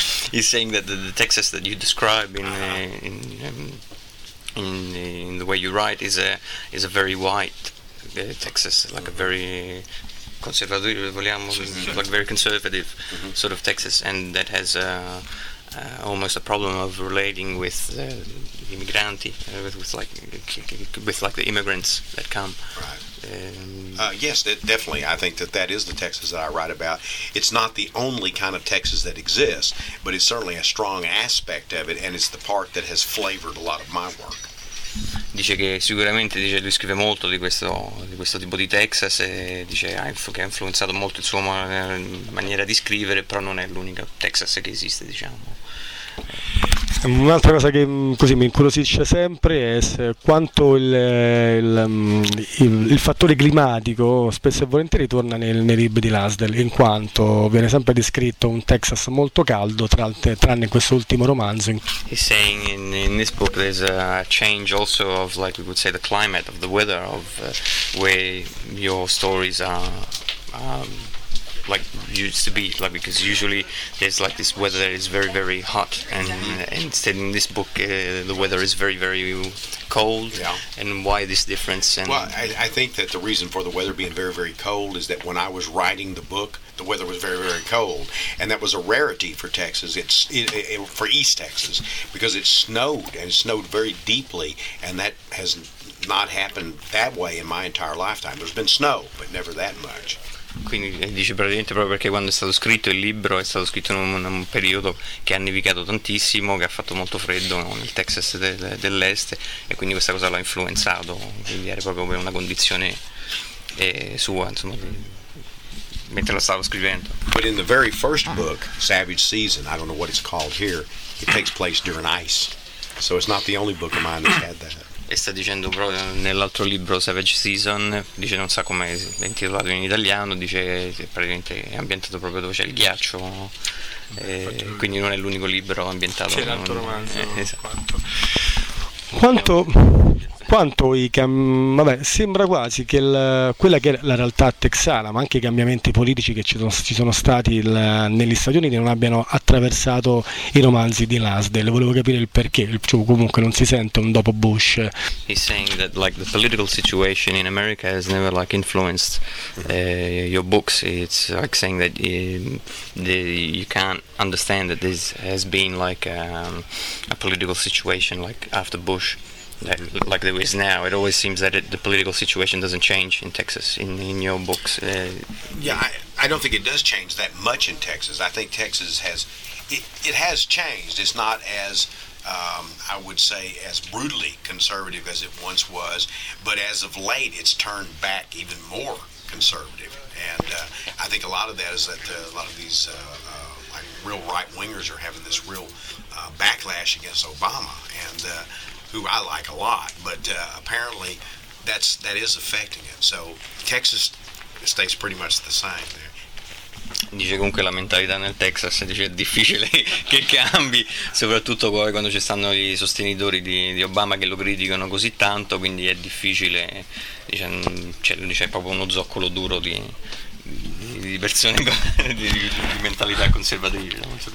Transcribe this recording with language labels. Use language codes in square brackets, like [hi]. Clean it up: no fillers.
[en] He's saying that the Texas that you describe in the way you write is a very white Texas, like a very conservative, vogliamo, like very conservative sort of Texas, and that has almost a problem of relating with the migranti, with the immigrants that come. Right. Yes, definitely. I think that is the Texas that I write about. It's not the only kind of Texas that exists, but it's certainly a strong aspect of it, and it's the part that has flavored a lot of my work. [it] Dice che sicuramente, dice, lui scrive molto di questo tipo di Texas, e dice che ha influenzato molto il suo maniera di scrivere, però non è l'unica Texas che esiste, diciamo. Un'altra cosa che così mi incuriosisce sempre è quanto il fattore climatico spesso e volentieri torna nei libri di Lansdell, in quanto viene sempre descritto un Texas molto caldo, tranne quest'ultimo romanzo. [en] He's saying in this book there's a change also of, like we would say, the climate of the weather of where your stories are. Like used to be, like, because usually there's like this weather that is very very hot, and instead in this book the weather is very very cold. Yeah. And why this difference? And well, I think that the reason for the weather being very very cold is that when I was writing the book, the weather was very very cold, and that was a rarity for Texas. For East Texas, because it snowed and snowed very deeply, and that has not happened that way in my entire lifetime. There's been snow, but never that much. [it] Quindi dice praticamente proprio perché quando è stato scritto il libro è stato scritto in un periodo che ha nevicato tantissimo, che ha fatto molto freddo, no? Nel Texas dell'est, e quindi questa cosa l'ha influenzato, quindi era proprio una condizione sua, insomma, mentre la stavo scrivendo. [en] But in the very first book, Savage Season, I don't know what it's called here, it takes place during ice, so it's not the only book of mine that's had that. [it] E sta dicendo proprio nell'altro libro, Savage Season, dice non sa come è intitolato in italiano, dice praticamente è ambientato proprio dove c'è il ghiaccio. Quindi non è l'unico libro ambientato. C'è l'altro romanzo. Esatto. Quanto sembra quasi che quella che è la realtà texana, ma anche i cambiamenti politici che ci sono stati negli Stati Uniti, non abbiano attraversato i romanzi di Lansdell. Volevo capire il perché, cioè, comunque non si sente un dopo Bush. [en] He's saying that like the political situation in America has never like influenced your books. It's like saying that you can't understand that this has been like a political situation like after Bush. Like there is now, it always seems that the political situation doesn't change in Texas in your books. I don't think it does change that much in Texas. I think Texas has changed. It's not as I would say as brutally conservative as it once was, but as of late it's turned back even more conservative, and I think a lot of that is that a lot of these like real right wingers are having this real backlash against Obama, and who I like a lot, but apparently that is affecting it. So Texas stays pretty much the same there. [it] Dice comunque la mentalità nel Texas, dice è difficile che cambi, soprattutto poi quando ci stanno i sostenitori di Obama che lo criticano così tanto, quindi è difficile, dice, cioè, dice, è proprio uno zoccolo duro di persone di mentalità conservativa.